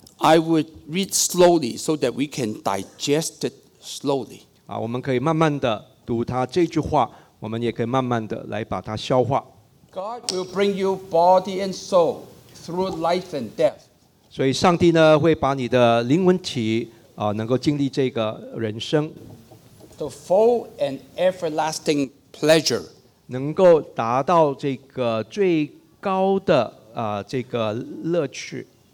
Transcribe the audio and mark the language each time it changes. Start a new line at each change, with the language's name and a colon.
English: I would read slowly so that we can digest it slowly.
Chinese: 我们可以慢慢的读他这句话，我们也可以慢慢的来把它消化。
English: God will bring you body and soul through life and death.
Chinese: 所以上帝呢会把你的灵魂体能够经历这个人生。
English: The full and everlasting pleasure.
Chinese: 能够达到这个最高的这个乐趣。